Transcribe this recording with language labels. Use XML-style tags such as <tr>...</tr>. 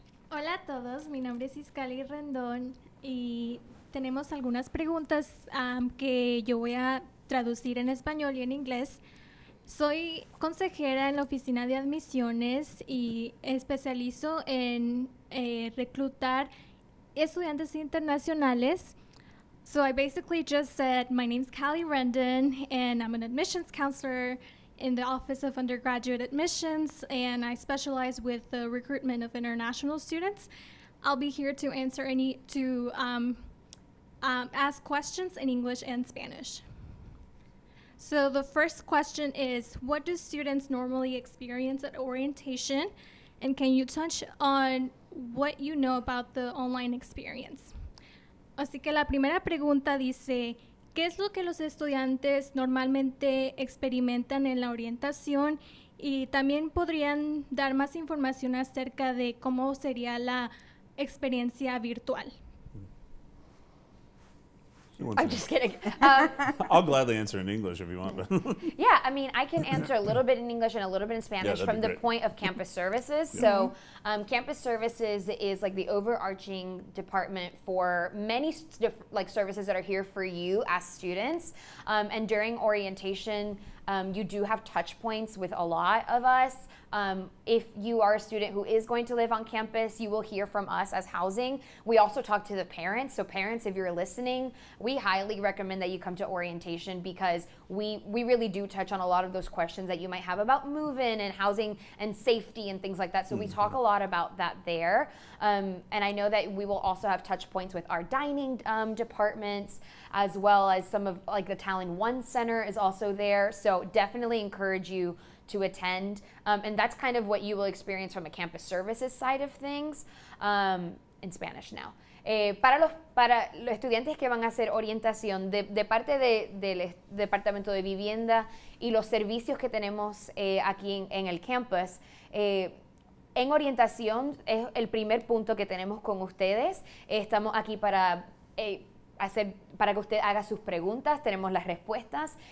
<es>Hola a todos, mi nombre es Iscali Rendón y tenemos algunas preguntas que yo voy a traducir en español y en inglés. Soy consejera en la oficina de admisiones y especializo en reclutar estudiantes internacionales.</es> <en>So I basically just said, my name's Callie Rendon, and I'm an admissions counselor in the Office of Undergraduate Admissions, and I specialize with the recruitment of international students. I'll be here to answer any, to ask questions in English and Spanish. So the first question is, what do students normally experience at orientation? And can you touch on what you know about the online experience? Así que la primera pregunta dice, ¿qué es lo que los estudiantes normalmente experimentan en la orientación? Y también podrían dar más información acerca de cómo sería la experiencia virtual. I'm just kidding. I'll gladly answer in English if you want. Yeah, I mean, I can answer a little bit in English and a little bit in Spanish from the point of campus services. Yeah. So campus services is like the overarching department for many like services that are here for you as students. And during orientation, you do have touch points with a lot of us. If you are a student who is going to live on campus, you will hear from us as housing. We also talk to the parents. So parents, if you're listening, we highly recommend that you come to orientation because we really do touch on a lot of those questions that you might have about move-in and housing and safety and things like that. So we talk a lot about that there. And I know that we will also have touch points with our dining departments, as well as some of like the Talon One Center is also there. So definitely encourage you to attend. And that's kind of what you will experience from a campus services side of things in Spanish now.</en> <es>Para los estudiantes que van a hacer orientación de parte del Departamento de Vivienda y los servicios que tenemos aquí en el campus, en orientación es el primer punto que tenemos con ustedes. Estamos aquí para hacer para que usted haga sus preguntas, tenemos las respuestas.</es>